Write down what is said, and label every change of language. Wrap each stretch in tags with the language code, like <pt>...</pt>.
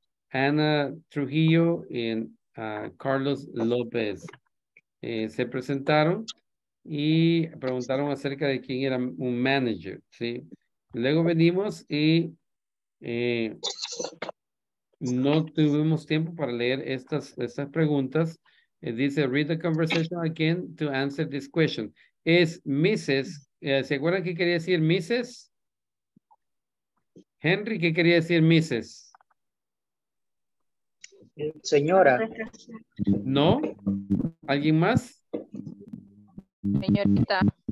<es>Ana Trujillo y Carlos López se presentaron y preguntaron acerca de quién era un manager, ¿sí? Luego venimos y no tuvimos tiempo para leer estas preguntas.</es> <en>Dice, read the conversation again to answer this question.</en> <es>Es Mrs., ¿se acuerdan qué quería decir Mrs.? Henry, ¿qué quería decir Mrs.? Señora. ¿No? ¿Alguien más? Señorita.</es>